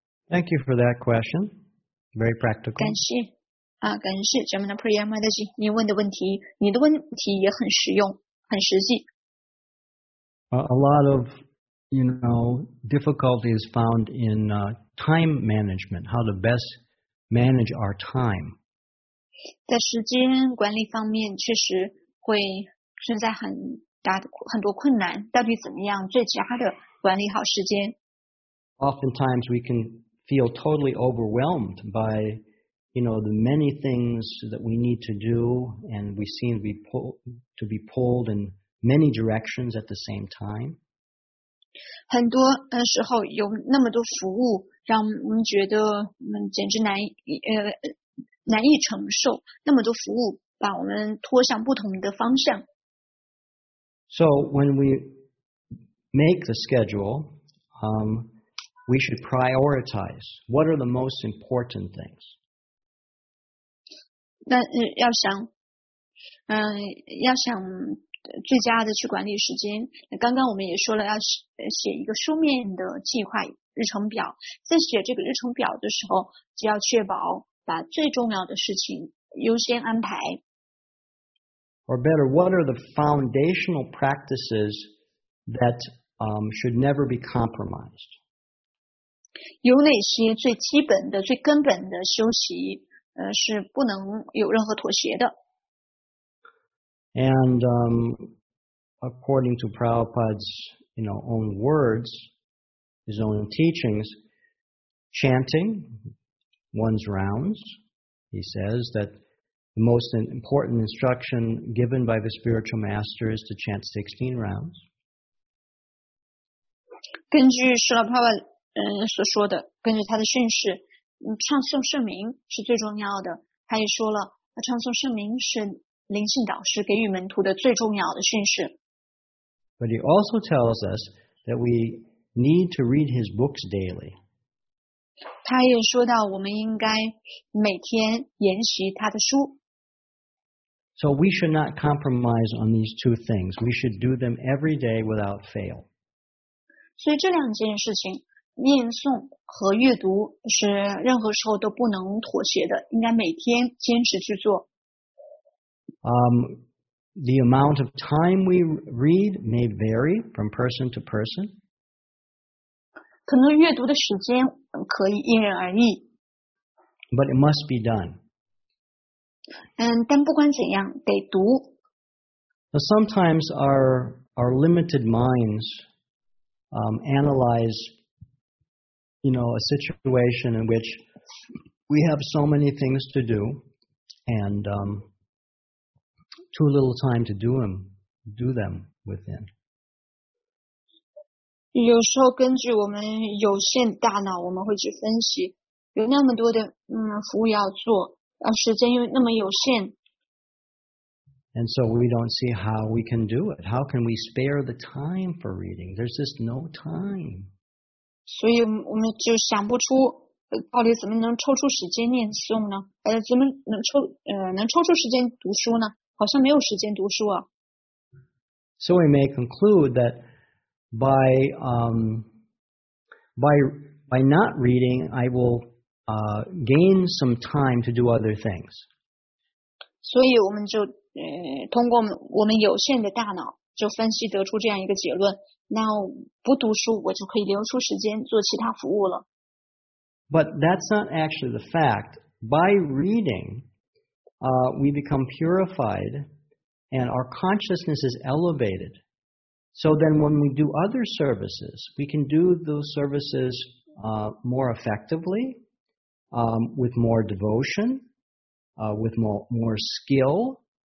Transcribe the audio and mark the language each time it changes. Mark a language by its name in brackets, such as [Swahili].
[English] Thank you for that question. Very practical. [Chinese] 感谢。感谢 Jamna Priya Madaji， 您问的问题，你的问题也很实用，很实际。 [English] A lot of, you know, difficulty is found in time management. How to best manage our time? [Chinese] 在时间管理方面，确实会存在很大的很多困难。到底怎么样最佳的管理好时间 [English] ？Oftentimes we can feel totally overwhelmed by, you know, the many things that we need to do, and we seem to be pulled in many directions at the same time. [Chinese] 很多时候有那么多服务，让我们觉得简直难以承受。那么多服务，把我们拖向不同的方向。 [English] So when we make the schedule, we should prioritize. What are the most important things? [Chinese] 那要想，要想最佳的去管理时间。刚刚我们也说了，要写一个书面的计划日程表。在写这个日程表的时候，就要确保把最重要的事情优先安排。 [English] Or better, what are the foundational practices that should never be compromised? [Chinese] 有哪些最基本的、最根本的休息，是不能有任何妥协的。 [English] And according to Prabhupada's, you know, own words, his own teachings, chanting one's rounds, he says that the most important instruction given by the spiritual master is to chant 16 rounds. [Chinese] 根据释迦牟尼佛所说的，根据他的训示，唱诵圣名是最重要的。他也说了，唱诵圣名是灵性导师给予门徒的最重要的训示。 [English] But he also tells us that we need to read his books daily. [Chinese] 他也说到我们应该每天研习他的书。 [English] So we should not compromise on these two things. We should do them every day without fail. [Chinese] 所以这两件事情，念诵和阅读，是任何时候都不能妥协的，应该每天坚持去做。 [English] The amount of time we read may vary from person to person. [Chinese] 可能阅读的时间可以因人而异。 [English] But it must be done. [Chinese] 但不管怎样，得读。 [English] Sometimes our limited minds analyze, you know, a situation in which we have so many things to do and too little time to do them within. [Chinese] 有时候根据我们有限大脑，我们会去分析，有那么多的服务要做，时间又那么有限。 [English] And so we don't see how we can do it. How can we spare the time for reading? There's just no time. [Chinese] 所以我们就想不出到底怎么能抽出时间念诵呢？怎么能抽出时间读书呢？好像没有时间读书啊。 [English] So we may conclude that by not reading, I will gain some time to do other things. [Chinese] 所以我们就通过我们有限的大脑就分析得出这样一个结论，那不读书我就可以留出时间做其他服务了。 [English] But that's not actually the fact. By reading, we become purified and our consciousness is elevated. So then when we do other services, we can do those services more effectively, with more devotion, with more skill.